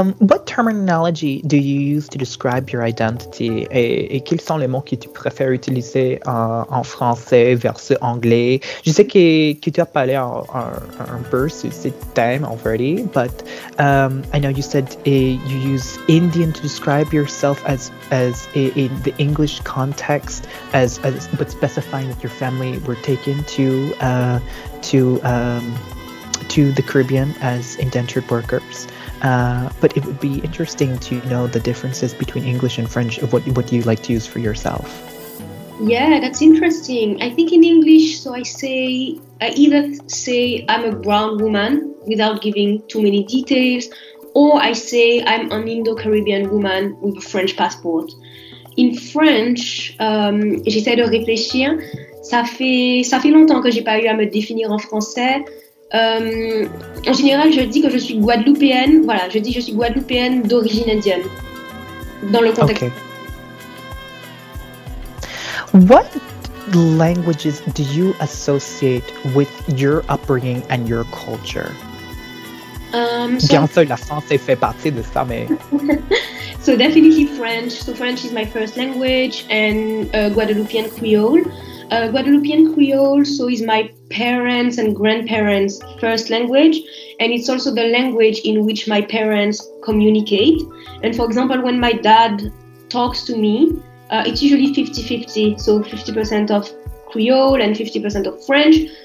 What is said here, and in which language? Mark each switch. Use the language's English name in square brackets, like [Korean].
[English] What terminology do you use to describe your identity? [French] Et quels sont les mots que tu préfères utiliser en français versus anglais? Je sais que tu as parlé un peu sur ce thème [English] already, but I know you said you use Indian to describe yourself as in the English context, as but specifying that your family were taken to the Caribbean as indentured workers. But it would be interesting to know the differences between English and French of what you like to use for yourself. Yeah, that's interesting. I think in English, so I either say I'm a brown woman without giving too many details, or I say I'm an Indo-Caribbean woman with a French passport. In French, [French] j'essaie de réfléchir. Ça fait longtemps que j'ai pas eu à me définir en français. En général, je dis que je suis guadeloupéenne. Voilà, je dis que je suis guadeloupéenne d'origine indienne. Dans le contexte. [English] Okay. What languages do you associate with your upbringing and your culture? [French] Bien sûr, la français fait partie de ça, mais. [English] So definitely French. So French is my first language, and Guadeloupean Creole. Guadeloupean Creole, so is my parents' and grandparents' first language, and it's also the language in which my parents communicate. And for example, when my dad talks to me, it's usually 50-50, so 50% of Creole and 50% of French.